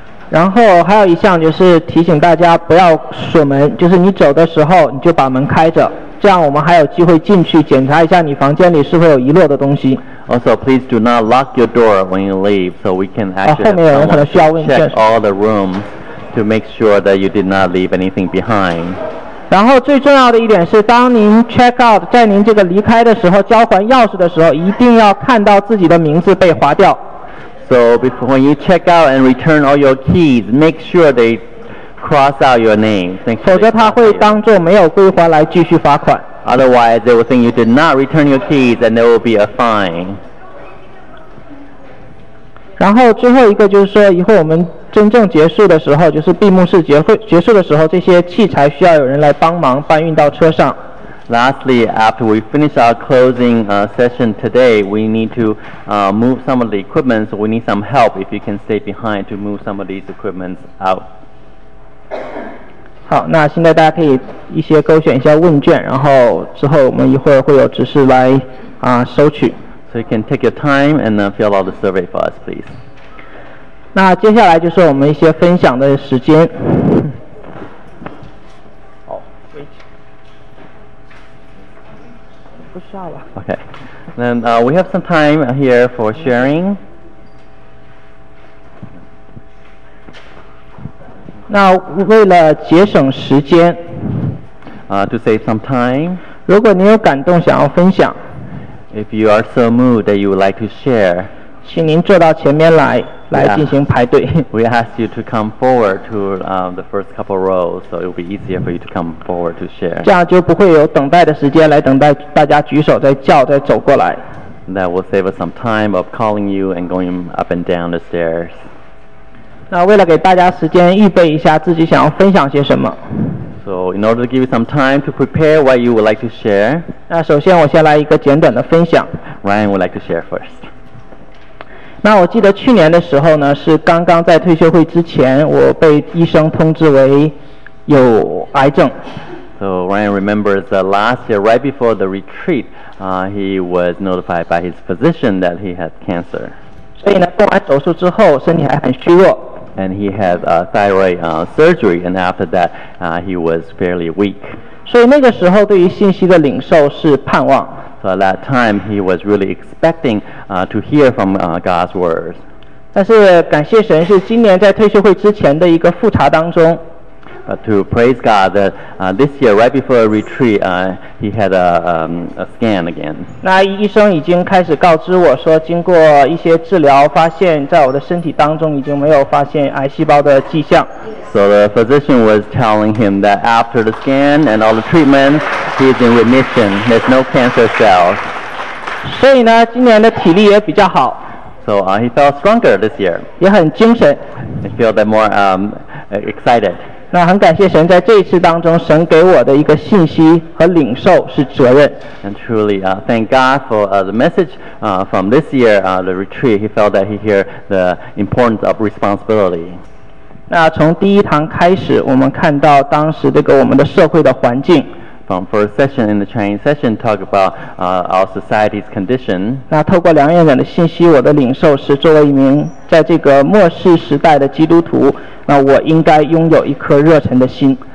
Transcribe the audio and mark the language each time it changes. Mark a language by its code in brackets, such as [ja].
[zh] 然后还有一项就是提醒大家不要锁门，就是你走的时候你就把门开着，这样我们还有机会进去检查一下你房间里是否有遗落的东西。 [en] Also, please do not lock your door when you leave, so we can actually check all the rooms to make sure that you did not leave anything behind. [zh] 然后最重要的一点是，当您 check out, 在您这个离开的时候，交还钥匙的时候，一定要看到自己的名字被划掉。 [en] So before when you check out and return all your keys, make sure they cross out your name. [zh] 否则他会当作没有归还来继续罚款。 [en] Otherwise, they will think you did not return your keys, and there will be a fine. [zh] 然后最后一个就是说，以后我们真正结束的时候，就是闭幕式结束的时候，这些器材需要有人来帮忙搬运到车上。 [en] Lastly, after we finish our closing session today, we need to move some of the equipment. So we need some help. If you can stay behind to move some of these equipment out. [zh] 好，那现在大家可以一些勾选一下问卷，然后之后我们一会儿会有执事来收取。 [en] So you can take your time and fill out the survey for us, please. [zh] 那接下来就是我们一些分享的时间。好，不需要了。 [en] Okay, then we have some time here for sharing. [zh] 那为了节省时间 [en] to save some time, [zh] 如果您有感动想要分享， [en] if you are so moved that you would like to share, [zh] 请您坐到前面来 来进行排队。 [en] We ask you to come forward to the first couple rows, so it will be easier for you to come forward to share. [zh] 这样就不会有等待的时间来等待大家举手再叫再走过来。 [en] That will save us some time of calling you and going up and down the stairs. [zh] 那为了给大家时间预备一下自己想要分享些什么。 [en] So in order to give you some time to prepare what you would like to share. [zh] 那首先我先来一个简短的分享。 [en] Ryan would like to share first. [zh] 那我记得去年的时候呢，是刚刚在退休会之前，我被医生通知为有癌症。 [en] So Ryan remembers that last year right before the retreat, he was notified by his physician that he had cancer. [zh] 所以呢，动完手术之后，身体还很虚弱。 [en] And he had a thyroid surgery, and after that, he was fairly weak. [zh] 所以那个时候，对于信息的领受是盼望。 [en] So at that time, he was really expecting to hear from God's word. [zh] 但是感谢神，是今年在退休会之前的一个复查当中。 [en] But to praise God that this year, right before a retreat, he had a scan again. [zh] 那医生已经开始告知我说，经过一些治疗，发现在我的身体当中已经没有发现癌细胞的迹象。 [en] So the physician was telling him that after the scan and all the treatment, he is in remission. There's no cancer cells. [zh] 所以呢，今年的体力也比较好。 [en] So he felt stronger this year. [zh] 也很精神。 [en] He felt more excited. [zh] 那很感谢神，在这一次当中，神给我的一个信息和领受是责任。 [en] And truly, thank God for the message from this year, the retreat. He felt that he hear the importance of responsibility. [zh] 那从第一堂开始，我们看到当时这个我们的社会的环境。 [en] From first session in the training session, talk about our society's condition. [zh] 那透过梁院长的信息，我的领受是作为一名在这个末世时代的基督徒。那我应该拥有一颗热忱的心。